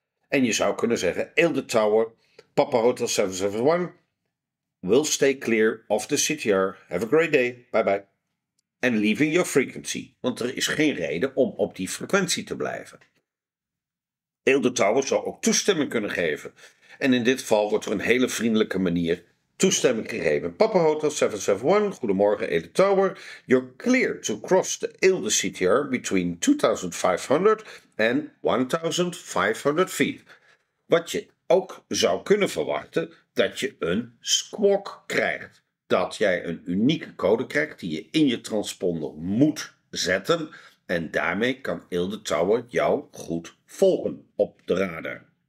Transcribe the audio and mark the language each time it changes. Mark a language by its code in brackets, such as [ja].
[nl] En je zou kunnen zeggen, [en] Eelde Tower, Papa Hotel 771, will stay clear of the CTR. Have a great day. Bye bye. And leaving your frequency. [nl] Want er is geen reden om op die frequentie te blijven. Eelde Tower zou ook toestemming kunnen geven. En in dit geval wordt er een hele vriendelijke manier toestemming gegeven. Papa Hotel 771, goedemorgen Eelde Tower. [en] You're clear to cross the Eelde CTR between 2500 and 1500 feet. [nl] Wat je ook zou kunnen verwachten, dat je een squawk krijgt. Dat jij een unieke code krijgt die je in je transponder moet zetten. En daarmee kan Eelde Tower jou goed volgen op de radar.